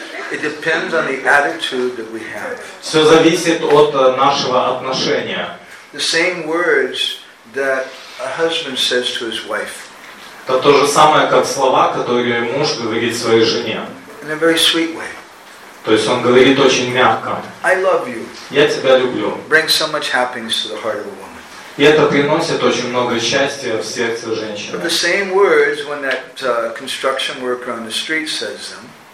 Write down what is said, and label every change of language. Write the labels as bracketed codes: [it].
[en] It depends on the attitude that we have. [ru] Все зависит от нашего отношения. [en] The same words that a husband says to his wife. [ru] Это то же самое, как слова, которые муж говорит своей жене. [en] In a very sweet way. [ru] То есть он говорит очень мягко. [en] I love you. [ru] Я тебя люблю. [en] Brings so much happiness to the heart of a woman. [ru] И это приносит очень много счастья в сердце женщины. [en] But the same words when that construction worker on the street says them.